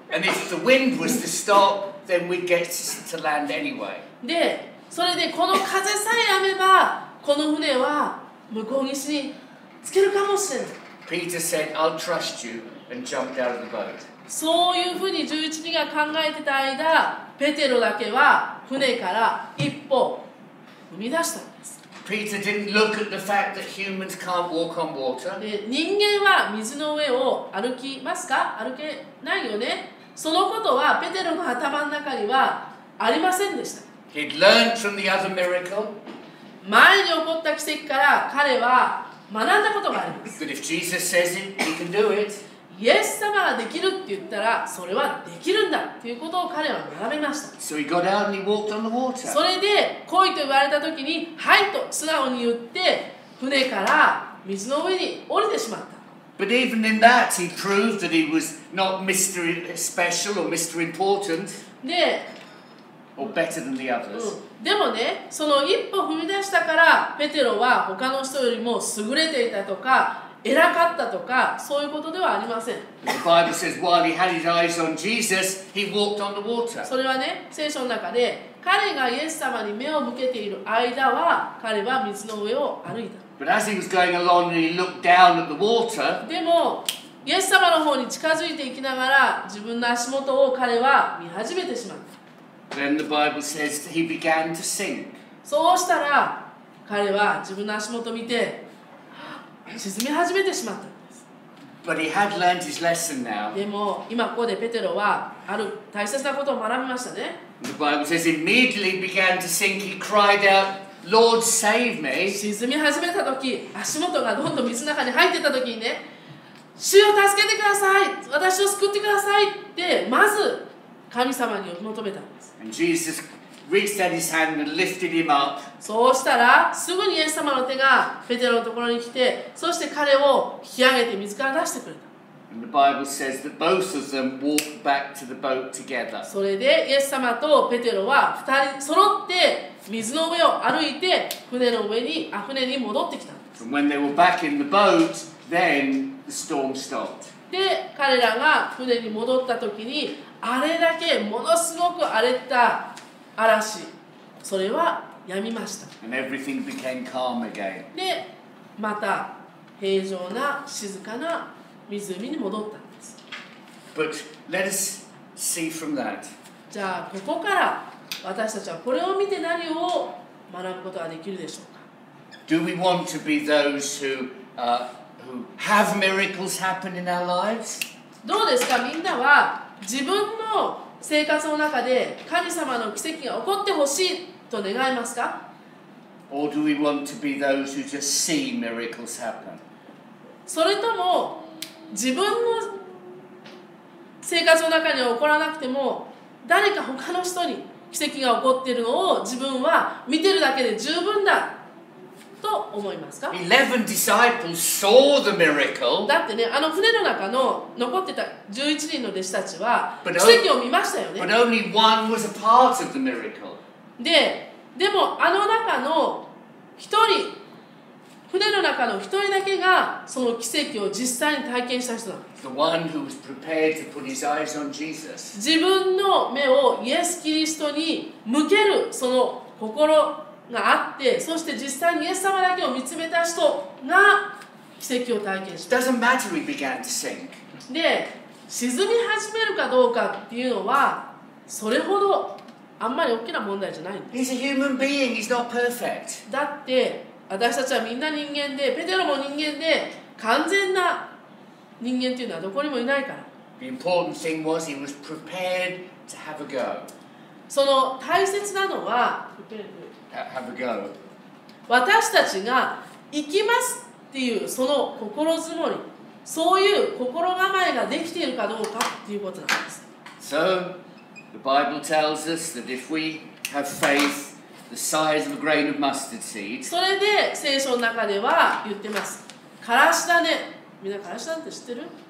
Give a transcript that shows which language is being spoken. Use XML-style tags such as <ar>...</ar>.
<en>And if the wind was to stop, then we'd get to land anyway.</en> <ja>で、それでこの風さえ止めば、この船は向こう岸に着けるかもしれない。</ja> <en>Peter said, I'll trust you. And jumped out of the boat.</en> <ja>そういうふうに11人が考えてた間、ペテロだけは船から一歩踏み出したんです。</ja> <en>Peter didn't look at the fact that humans can't walk on water.</en> <ja>人間は水の上を歩きますか？歩けないよね。そのことはペテロの頭の中にはありませんでした。</ja> <en>He'd learned from the other miracle.</en> <ja>前に起こった奇跡から彼は学んだことがあります。</ja> <en>But if Jesus says it, he can do it.</en> <ja>イエス様ができるって言ったらそれはできるんだということを彼は学びました。</ja> <en>So he got out and he walked on the water.</en> <ja>それで来いと言われた時にはいと素直に言って船から水の上に降りてしまった。</ja> <en>But even in that he proved that he was not Mr. Special or Mr. Important.</en> <ja>で、</ja> <en>or better than the others.</en> <ja>でもね、その一歩踏み出したからペテロは他の人よりも優れていたとか偉かったとかそういうことではありません。</ja> <en>The Bible says while he had his eyes on Jesus, he walked on the water.</en> <ja>それはね、聖書の中で彼がイエス様に目を向けている間は彼は水の上を歩いた。</ja> <en>But as he was going along and he looked down at the water,</en> <ja>でもイエス様の方に近づいていきながら自分の足元を彼は見始めてしまった。</ja> <en>Then the Bible says he began to sink.</en> <ja>そうしたら彼は自分の足元を見て沈み始めてしまったんです。</ja> <en>But he had learned his lesson now.</en> <ja>でも今ここでペテロはある大切なことを学びましたね。</ja> <en>The Bible says immediately began to sink. He cried out, "Lord, save me!"</en> <ja>沈み始めた時、足元がどんどん水の中に入ってた時にね、主を助けてください、私を救ってくださいってまず神様に求めたんです。</ja> <en>And Jesus reached out his hand and lifted him up.</en> <ja>そうしたらすぐにイエス様の手がペテロのところに来て、そして彼を引き上げて水から出してくれた。</ja> <en>And the Bible says that both of them walked back to the boat together.</en> <ja>それでイエス様とペテロは2人揃って水の上を歩いて船に戻ってきた。</ja> <en>And when they were back in the boat, then the storm stopped.</en> <ja>で、彼らが船に戻った時にあれだけものすごく荒れた嵐、それは止みました。</ja> <en>And everything became calm again.</en> <ja>で、また平常な静かな湖に戻ったんです。</ja> <en>But let us see from that.</en> <ja>じゃあここから私たちはこれを見て何を学ぶことができるでしょうか。</ja> <en>Do we want to be those who, who have miracles happen in our lives?</en> <ja>どうですか、みんなは自分の生活の中で神様の奇跡が起こってほしいと願いますか？</ja> <en>Or do we want to be those who just see miracles happen?</en> <ja>それとも自分の生活の中に起こらなくても誰か他の人に奇跡が起こっているのを自分は見てるだけで十分だと思いますか？</ja> <en>11 disciples saw the miracle.</en> <ja>だってね、あの船の中の残ってた11人の弟子たちは奇跡を見ましたよね。</ja> <en>But only one was a part of the miracle.</en> <ja>でもあの中の一人、船の中の一人だけがその奇跡を実際に体験した人なんです。</ja> <en>The one who was prepared to put his eyes on Jesus.</en> <ja>自分の目をイエス・キリストに向けるその心があって、そして実際にイエス様だけを見つめた人が奇跡を体験した。</ja> <en>Doesn't matter we began to sink.</en> <ja>で、沈み始めるかどうかっていうのはそれほどあんまり大きな問題じゃないんです。</ja> <en>He's a human being. He's not perfect.</en> <ja>だって私たちはみんな人間で、ペテロも人間で、完全な人間っていうのはどこにもいないから。</ja> <en>The important thing was he was prepared to have a go.</en> <ja>その大切なのは、</ja> <en>Have a go.</en> <ja>私たちが行きますっていうその心づもり、そういう心構えができているかどうかっていうことなんです。</ja> <en>So, the Bible tells us that if we have faith the size of a grain of mustard seed,</en> <ja>それで聖書の中では言ってます。からし種、みんなからし種って知ってる？</ja>